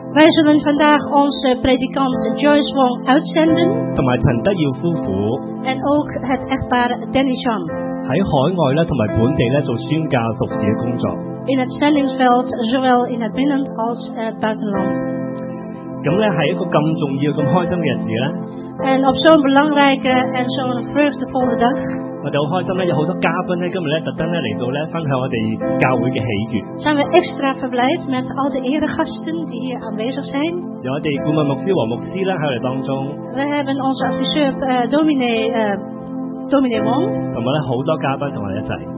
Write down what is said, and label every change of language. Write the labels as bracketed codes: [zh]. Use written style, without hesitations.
[nl] Wij zullen vandaag onze predikant Joyce Wong uitzenden. [yue] 同埋陳德耀夫婦。 [nl] En ook het echtpaar Dennison. [yue] 喺海外咧，同埋本地咧做宣教服事嘅工作。 [nl] In het zendingsveld, zowel in het binnen- als het buitenland. [yue] 咁咧係一個咁重要、咁開心嘅日子咧。 [nl] En op zo'n belangrijke en zo'n vreugdevolle dag. [yue] 我哋好开心咧，有好多嘉宾咧，今日咧特登咧嚟到咧分享我哋教会嘅喜悦。 [nl] Zijn we extra verblijd met al de eregasten die hier aanwezig zijn? [yue] 有我哋顾问牧师王牧师啦喺我哋当中。 [nl] We hebben onze adviseur dominee Wong. [yue] 同埋咧好多嘉宾同我哋一齐。